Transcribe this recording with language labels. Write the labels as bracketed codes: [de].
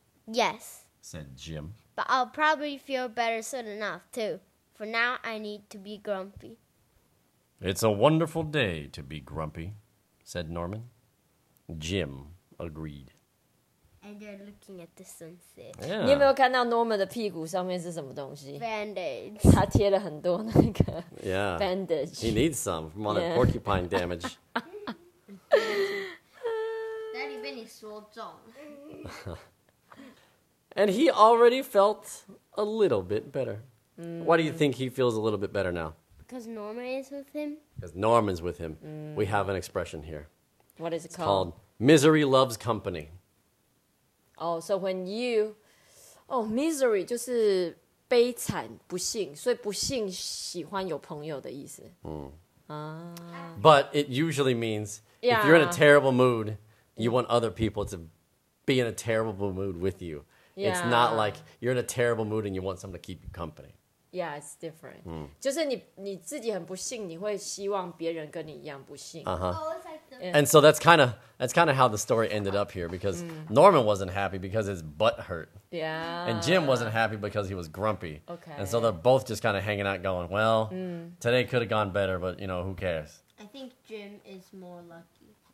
[en] Yes, said Jim. But I'll probably feel better soon enough too. For now, I need to be grumpy. It's a wonderful day to be grumpy, said Norman. Jim agreed. And they're looking at the sunset. Yeah. [zh] 你有没有看到 Norman 的屁股上面是什么东西 [en] ？Bandage. 他贴了很多那个 yeah. bandage. He needs some from all the porcupine damage. [zh] Daddy 被你说中。 [en] And he already felt a little bit better.、Mm. Why do you think he feels a little bit better now? Because Norman is with him? Because Norman's with him.、Mm. We have an expression here. What is it called? It's called misery loves company. Oh, so when you... [zh] Oh, misery 就是悲惨不幸，所以不幸喜欢有朋友的意思。 [en] Mm. But it usually means、 yeah. if you're in a terrible mood, you want other people to be in a terrible mood with you.、 Yeah. It's not like you're in a terrible mood and you want someone to keep you company. Yeah, it's different.、Mm. [zh] 就是你自己很不幸，你会希望别人跟你一样不幸。 [en] Uh-huh. Yeah. And so that's kind of how the story ended up here because、mm. Norman wasn't happy because his butt hurt. Yeah. And Jim wasn't happy because he was grumpy. Okay. And so they're both just kind of hanging out, going, "Well,、mm. today could have gone better, but you know, who cares?" I think Jim is more lucky.